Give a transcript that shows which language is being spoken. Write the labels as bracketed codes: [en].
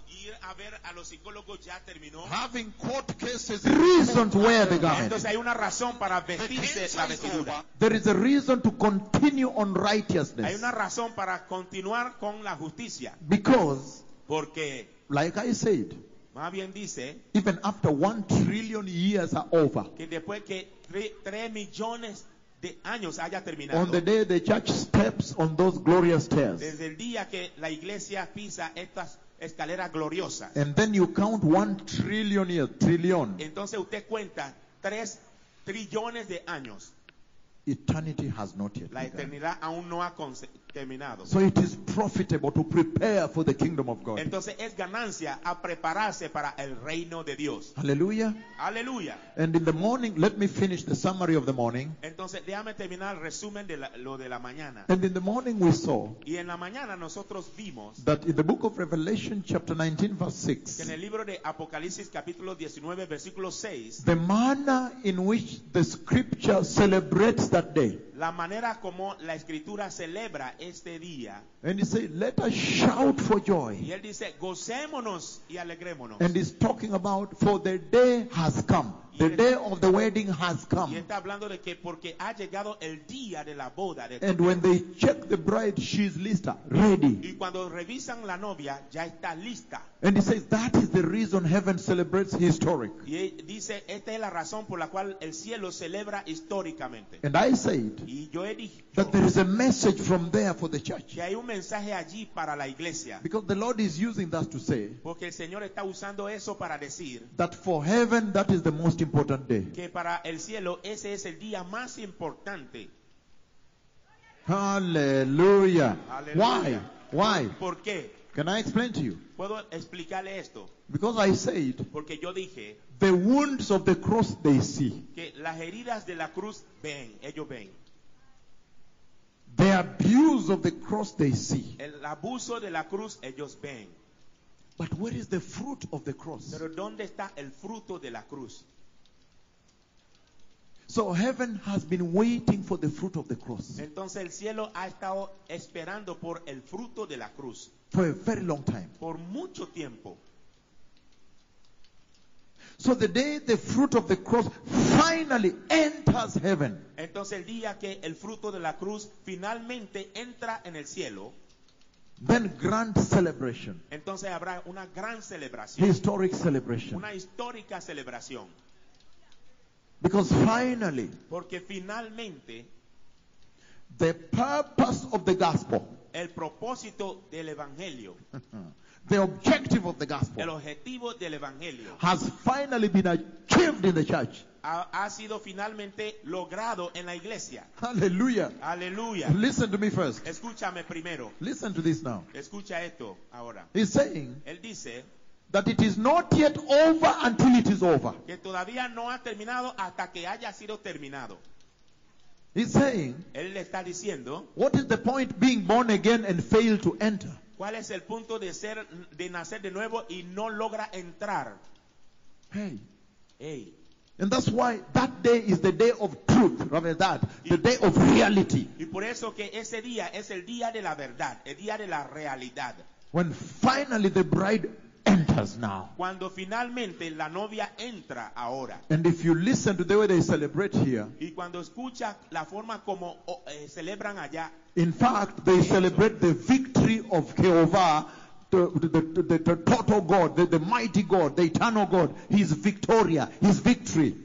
[es] Ir a ver a los psicólogos ya terminó. [en] Having court cases, reason to wear the garment. [es] Entonces hay una razón para vestirse la vestidura. [en] There is a reason to continue on righteousness. [es] Hay una razón para continuar con la justicia. [en] Because, [es] porque, [en] like I said, [es] más bien dice, [en] even after 1 trillion years are over, [es] que después que 3 millones de años haya terminado. [en] On the day the church steps on those glorious stairs. [es] Desde el día que la iglesia pisa estas escaleras gloriosas. [en] And then you count 1 trillion years, trillion. [es] Entonces usted cuenta 3 trillones de años. [en] Eternity has not yet [es] la eternidad [en] begun. [es] Aún no ha terminado. [en] So it is profitable to prepare for the kingdom of God. [es] Entonces es ganancia a prepararse para el reino de Dios. Hallelujah. Hallelujah. [en] And in the morning, let me finish the summary of the morning. [es] Entonces déjame terminar el resumen de lo de la mañana. [en] And in the morning we saw, [es] y en la mañana nosotros vimos, [en] that in the book of Revelation chapter 19 verse 6, [es] que en el libro de Apocalipsis capítulo 19 versículo 6, [en] the manner in which the scripture celebrates that day. [es] La manera como la escritura celebra este día. [en] And he said, let us shout for joy. [es] Y él dice, gocémonos y alegrémonos. [en] And he's talking about, for the day has come. The day of the wedding has come. [es] Y está hablando de que porque ha llegado el día de la boda. De [en] and when they check the bride, she's lista, ready. [es] Y cuando revisan la novia, ya está lista. [en] And he says, that is the reason heaven celebrates historic. [es] Y dice, esta es la razón por la cual el cielo celebra históricamente. [en] And I said, [es] y yo he dicho, [en] that there is a message from there for the church. [es] Que hay un mensaje allí para la iglesia. [en] Because the Lord is using that to say, [es] porque el Señor está usando eso para decir, [en] that for heaven, that is the most important day. [es] Que para el cielo ese es el día más importante. [en] Hallelujah. Why? Why? [es] ¿Por qué? [en] Can I explain to you? [es] ¿Puedo explicarle esto? [en] Because I said, [es] porque yo dije, [en] the wounds of the cross they see. [es] Que las heridas de la cruz ven, ellos ven. [en] The abuse of the cross they see. [es] El abuso de la cruz ellos ven. [en] But where is the fruit of the cross? [es] Pero ¿dónde está el fruto de la cruz? [en] So heaven has been waiting for the fruit of the cross. [es] Entonces el cielo ha estado esperando por el fruto de la cruz. [en] For a very long time. [es] Por mucho tiempo. [en] So the day the fruit of the cross finally enters heaven. [es] Entonces el día que el fruto de la cruz finalmente entra en el cielo. [en] Then grand celebration. [es] Entonces habrá una gran celebración. [en] Historic celebration. [es] Una histórica celebración. [en] Because finally, [es] porque finalmente, [en] the purpose of the gospel, [es] el propósito del evangelio, [en] the objective of the gospel, [es] el objetivo del evangelio, [en] has finally been achieved in the church. [es] Ha sido finalmente logrado en la iglesia. Hallelujah. Hallelujah. [en] Listen to me first. [es] Escúchame primero. [en] Listen to this now. [es] Escucha esto ahora. [en] He's saying, [es] él dice, [en] that it is not yet over until it is over. [es] Que todavía no ha terminado hasta que haya sido terminado. [en] He's saying, [es] él le está diciendo, [en] what is the point being born again and fail to enter? [es] ¿Cuál es el punto de ser de nacer de nuevo y no logra entrar? Hey. [en] And that's why that day is the day of truth, rather than that, the day of reality. [es] Y por eso que ese día es el día de la verdad, el día de la realidad. [en] When finally the bride enters now. [es] Cuando finalmente la novia entra ahora. [en] And if you listen to the way they celebrate here. [es] Y cuando escucha la forma como celebran allá. [en] In fact, they celebrate the victory of Jehovah the total God, the mighty God, the eternal God, his victoria, his victory.